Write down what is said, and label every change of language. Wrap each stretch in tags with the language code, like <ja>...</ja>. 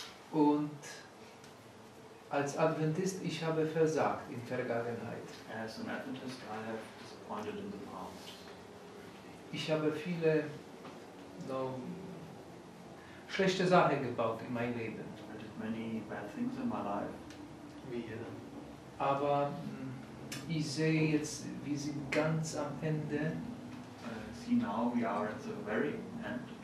<de>Und als Adventist, ich habe versagt in Vergangenheit.</de> <en>As an Adventist, I have disappointed in the past.</en> <de>Ich habe viele schlechte Sachen gebaut in meinem Leben.</de> <en>Many bad things in my life.</en> <de>Aber ich sehe jetzt, wir sind ganz am Ende.</de> <en>See now, we are at the very end.</en>